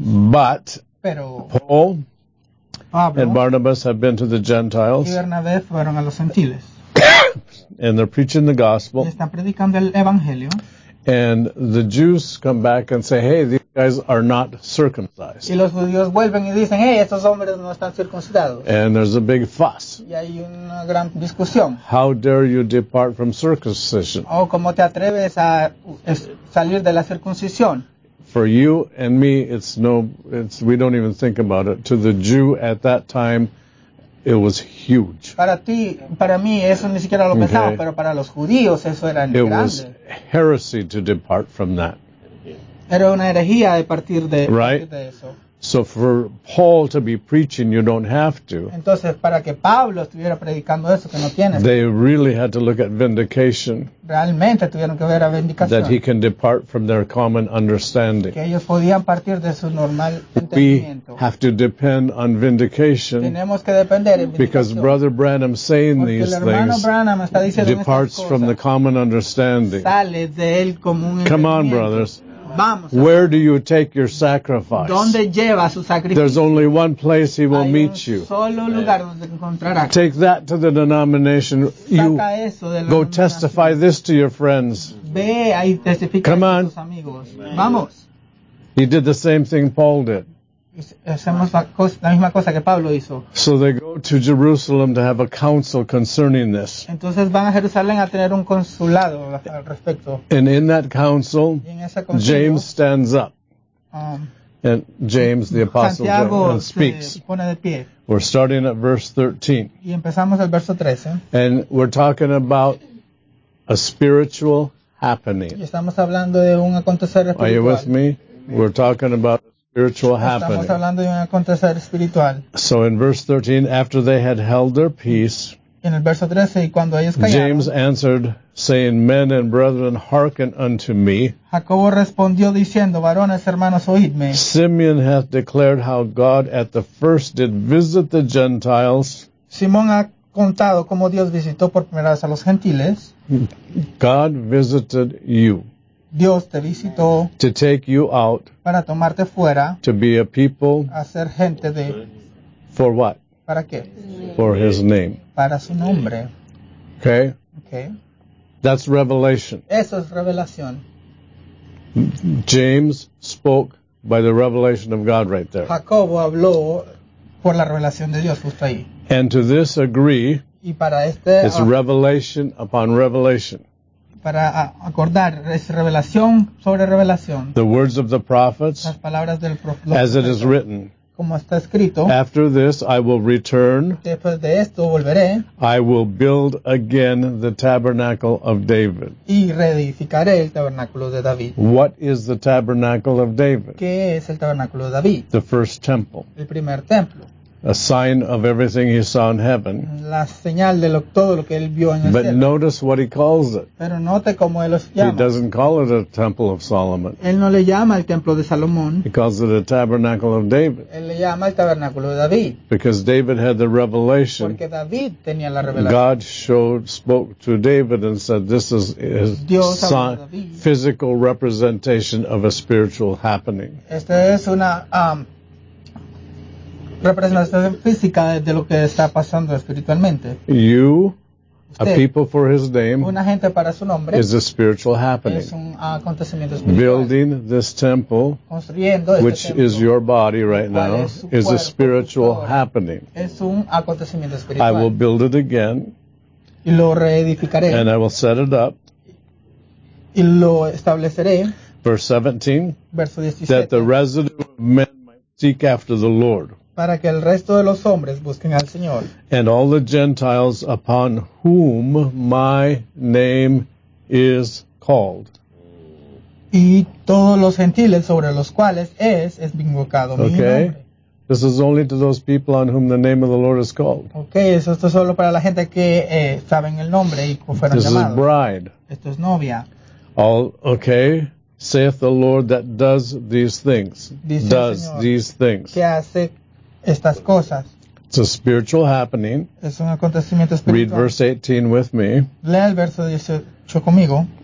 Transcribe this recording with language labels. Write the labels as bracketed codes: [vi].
[en] But. [es] Pero. [en] Paul. [es] Pablo. [en] And Barnabas have been to the Gentiles. [es] Y Bernabé fueron a los gentiles. [en] And they're preaching the gospel. [es] Están predicando el evangelio. [en] And the Jews come back and say, hey, these guys are not circumcised. [es] Y los judíos vuelven y dicen, hey, estos hombres no están circuncidados. [en] And there's a big fuss. [es] Y hay una gran discusión. [en] How dare you depart from circumcision? [es] Oh, ¿cómo te atreves a salir de la circuncisión? [en] For you and me, we don't even think about it. To the Jew at that time, it was huge. [es] Para ti, para mí, eso ni siquiera lo pensaba, okay. Pero para los judíos eso era grande. [en] It was heresy to depart from that. [es] Era una herejía de partir de, [en] right? [es] De eso. [en] So for Paul to be preaching, you don't have to. [es] Entonces, para que Pablo estuviera predicando eso, que no tienes. [en] They really had to look at vindication. [es] Realmente tuvieron que ver a vindicación. [en] That he can depart from their common understanding. [es] Que ellos podían partir de su normal entendimiento. [en] We have to depend on vindication. [es] Tenemos que depender en vindicación. [en] Because Brother Branham saying [es] porque [en] these things [es] Branham está diciendo [en] departs [es] cosas, [en] from the common understanding. [es] Sale de él como un [en] come on, brothers. [es] Vamos, [en] where do you take your sacrifice? [es] ¿Dónde lleva su sacrificio? [en] There's only one place he will meet you. [es] Solo lugar donde encontrará. [en] Take that to the denomination. [es] Saca [en] you [es] eso de la [en] go testify this to your friends. [es] Ve ahí, testifica [en] come on. [es] Tus amigos. Vamos. [en] He did the same thing Paul did. [es] Hacemos la misma cosa que Pablo hizo. [en] So they go to Jerusalem to have a council concerning this. [es] Entonces van a Jerusalén a tener un consulado al respecto. [en] And in that council, [es] en ese consejo, [en] James stands up. And James, the apostle, [es] Santiago [en] James, and speaks. [es] Se pone de pie. [en] We're starting at verse 13. [es] Y empezamos el verso 13. [en] And we're talking about a spiritual happening. [es] Y estamos hablando de un acontecer espiritual. [en] Are you with me? We're talking about spiritual happening. [es] Estamos hablando de un acontecer espiritual. [en] So in verse 13, after they had held their peace, [es] en el verso 13, y cuando ellos callaron, [en] James answered, saying, men and brethren, hearken unto me. [es] Jacobo respondió diciendo, varones, hermanos, oídme. [en] Simeon hath declared how God at the first did visit the Gentiles. [es] Simón ha contado cómo Dios visitó por primera vez a los gentiles. [en] God visited you. [es] Dios te visitó [en] to take you out, [es] para tomarte fuera, [en] to be a people, [es] a ser gente de, [en] for what? [es] ¿Para qué? [en] For his name. [es] Para su nombre. [en] Okay. Okay. That's revelation. [es] Eso es revelación. [en] James spoke by the revelation of God right there. [es] Jacobo habló por la revelación de Dios justo ahí. [en] And to this agree, [es] y para este, [en] it's revelation upon revelation. [es] Para acordar, es revelación sobre revelación. [en] The words of the prophets, [es] las palabras del profeta, [en] as it is written, [es] como está escrito, [en] after this I will return, [es] después de esto volveré, [en] I will build again the tabernacle of David. [es] Y reedificaré el tabernáculo de David. [en] What is the tabernacle of David? [es] ¿Qué es el tabernáculo de David? [en] The first temple. [es] El primer templo. [en] A sign of everything he saw in heaven. [es] La señal de todo lo que él vio en el [en] but [es] cielo. [en] Notice what he calls it. [es] Pero note cómo él los llama. [en] He doesn't call it a temple of Solomon. [es] Él no le llama el templo de Salomón. [en] He calls it a tabernacle of David. [es] Él le llama el tabernáculo de David. [en] Because David had the revelation. [es] Porque David tenía la revelación. [en] God showed, spoke to David and said, this is his [es] Dios habló [en] son, [es] a David. [en] Physical representation of a spiritual happening. [es] Esta es una representación física de lo que está pasando espiritualmente. [en] You, usted, a people for his name, [es] una gente para su nombre, [en] is a spiritual happening. [es] Es un acontecimiento espiritual. [en] Building this temple, [es] construyendo este [en] which [es] templo, [en] is your body right now, is [es] cuerpo, [en] a spiritual doctor, happening. [es] Es un acontecimiento espiritual. [en] I will build it again, [es] y lo reedificaré, [en] and I will set it up, [es] y lo estableceré, [en] verse 17, [es] verso 17, [en] that the residue of men might seek after the Lord. [es] Para que el resto de los hombres busquen al Señor. [en] And all the Gentiles upon whom my name is called. [es] Y todos los gentiles sobre los cuales es invocado [en] okay. [es] Mi nombre. [en] Okay. This is only to those people on whom the name of the Lord is called. [es] Okay, eso es solo para la gente que saben el nombre y fueron llamados. [en] This is bride. [es] Esto es novia. [en] All okay, saith the Lord that does these things. [es] Dice [en] does [es] el Señor [en] these things. [es] Que hace estas cosas. [en] It's a spiritual happening. [es] Es un acontecimiento espiritual. [en] Read verse 18 with me. [es] Lea el verso 18 conmigo.